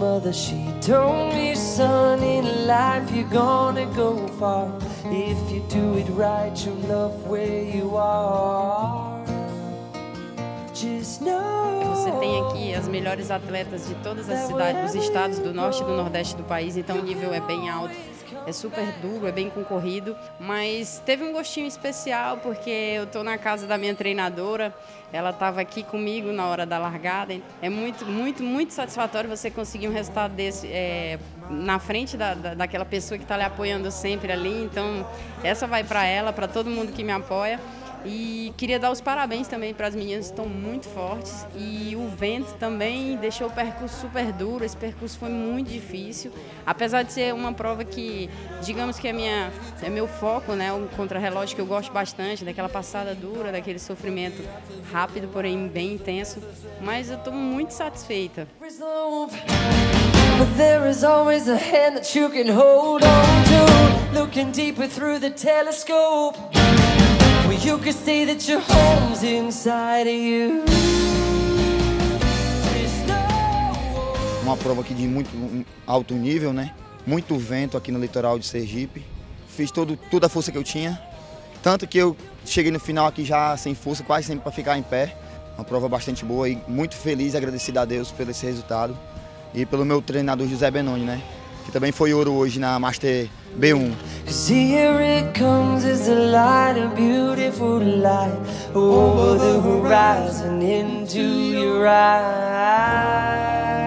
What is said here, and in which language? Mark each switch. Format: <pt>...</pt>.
<en>She told me, son, in life you're gonna go far. If you do it right, you'll love where you are. Just know.</en> <pt>Você tem aqui as melhores atletas de todas as cidades, dos estados do norte e do nordeste do país, então o nível é bem alto. É super duro, é bem concorrido, mas teve um gostinho especial porque eu tô na casa da minha treinadora, ela estava aqui comigo na hora da largada. É muito, muito, muito satisfatório você conseguir um resultado desse na frente daquela pessoa que está lhe apoiando sempre ali. Então, essa vai para ela, para todo mundo que me apoia. E queria dar os parabéns também para as meninas, que estão muito fortes. E o vento também deixou o percurso super duro, esse percurso foi muito difícil. Apesar de ser uma prova que, digamos que é meu foco, né? O contrarrelógio que eu gosto bastante, daquela passada dura, daquele sofrimento rápido, porém bem intenso. Mas eu estou muito satisfeita.</pt> <en>But there is always a hand that you can hold on to. Looking deeper through the telescope. Well, you can see that your home's inside of you.</en> <pt>Uma prova aqui de muito alto nível, né? Muito vento aqui no litoral de Sergipe. Fiz toda a força que eu tinha. Tanto que eu cheguei no final aqui já sem força, quase sempre para ficar em pé. Uma prova bastante boa e muito feliz e agradecido a Deus pelo esse resultado. E pelo meu treinador José Benoni, né? Que também foi ouro hoje na Master B1.</pt> <en>Cause here it comes as a light, a beautiful light over the horizon into your eyes.</en>